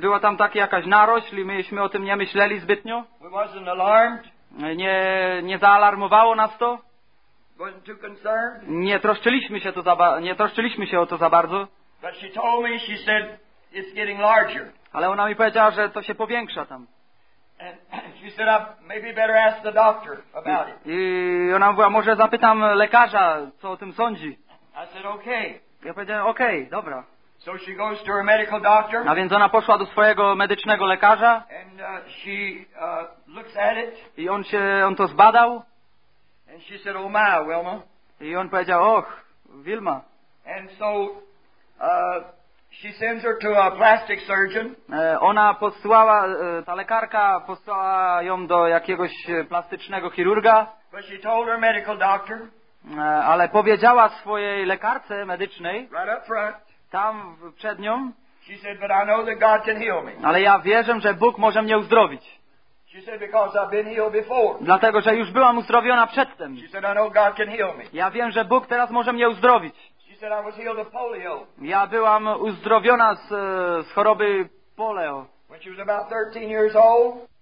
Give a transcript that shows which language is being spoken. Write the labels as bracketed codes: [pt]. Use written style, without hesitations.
[pl] Była tam taka jakaś narośl i myśmy o tym nie myśleli zbytnio. [en] We wasn't alarmed. [pl] Nie zaalarmowało nas to. [en] Wasn't too concerned. [pl] Nie troszczyliśmy się o to za bardzo. [en] But she told me, she said, it's getting larger. [pl] Ale ona mi powiedziała, że to się powiększa tam. [en] And she said, maybe better ask the doctor about it. [pl] I ona mówiła, może zapytam lekarza, co o tym sądzi. [en] I said, okay. [pl] Ja powiedziałem, okay, dobra. [en] So she goes to her medical doctor. [pl] A więc ona poszła do swojego medycznego lekarza. [en] And she looks at it. [pl] I on to zbadał. [en] And she said, oh my, Wilma. [pl] I on powiedział, och, Wilma. [en] And so she sends her to a plastic surgeon. [pl] Ona posłała, ta lekarka posłała ją do jakiegoś plastycznego chirurga. [en] But she told her medical doctor. [pl] Ale powiedziała swojej lekarce medycznej. [en] Right up front. [pl] Tam przed nią. [en] She said, but I know that God can heal me. [pl] Ale ja wierzę, że Bóg może mnie uzdrowić. [en] She said, because I've been healed before. [pl] Dlatego, że już byłam uzdrowiona przedtem. [en] She said, I know God can heal me. [pl] Ja wiem, że Bóg teraz może mnie uzdrowić. [en] She said, I was healed of polio. [pl] Ja byłam uzdrowiona z choroby polio. [en] When she was about 13 years old.